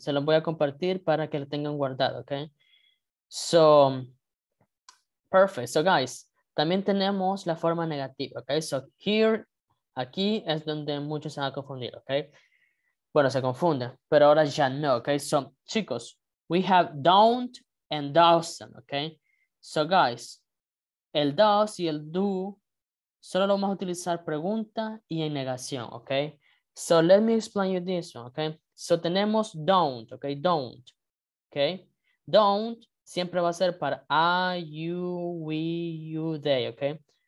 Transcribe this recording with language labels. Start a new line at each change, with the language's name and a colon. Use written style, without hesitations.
Spanish: Se los voy a compartir para que lo tengan guardado, ¿ok?
English: So... perfect. So, guys,
Spanish: también tenemos la forma negativa, ¿ok?
English: So, here,
Spanish: aquí es donde muchos se van a confundir, ¿ok? Bueno, se confunden, pero ahora ya no, ¿ok?
English: So,
Spanish: chicos,
English: we have don't and doesn't, ¿ok? So, guys,
Spanish: el does y el do solo lo vamos a utilizar pregunta y en negación, ¿ok?
English: So, let me explain you this one, ¿ok? So,
Spanish: tenemos
English: don't, ¿ok?
Spanish: Don't, ¿ok? Don't. Siempre va a ser para I, you, we, you, they, ¿ok?